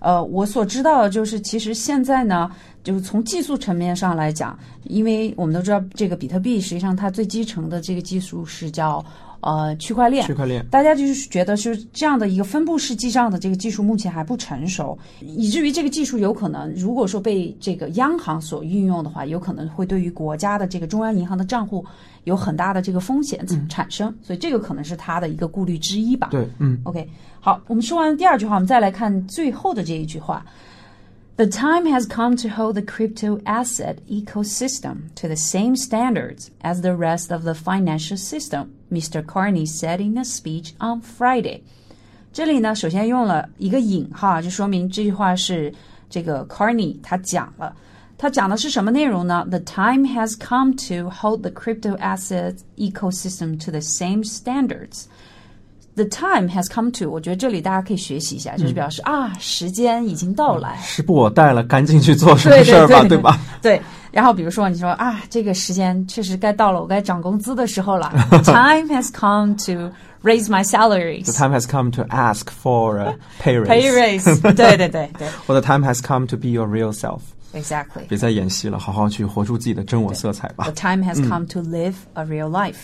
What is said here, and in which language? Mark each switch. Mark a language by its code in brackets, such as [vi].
[zh] 我所知道的就是其实现在呢，就是从技术层面上来讲，因为我们都知道这个比特币实际上它最基层的这个技术是叫区块链，大家就是觉得是这样的一个分布式记账的这个技术目前还不成熟，以至于这个技术有可能如果说被这个央行所运用的话，有可能会对于国家的这个中央银行的账户有很大的这个风险产生、嗯、所以这个可能是他的一个顾虑之一吧。对，嗯 OK， 好，我们说完第二句话，我们再来看最后的这一句话。 [en] The time has come to hold the crypto asset ecosystem to the same standards as the rest of the financial system, Mr. Carney said in a speech on Friday. [zh] 这里呢，首先用了一个引号，就说明这句话是这个 Carney 他讲了。他讲的是什么内容呢？ [en] The time has come to hold the crypto asset ecosystem to the same standards. the time has come to, [zh] 我觉得这里大家可以学习一下，就是表示、嗯、啊，时间已经到来，时不我待了，赶紧去做什么事吧，对吧？对。然后比如说你说啊，这个时间确实该到了，我该涨工资的时候了。 [en] Time has come to raise my salaries. The time has come to ask for a pay raise. Pay raise. [zh] 对对对对。 [en] Or the time has come to be your real self. Exactly. [zh] 别再演戏了，好好去活出自己的真我色彩吧。 [en] The time has come、嗯、to live a real life.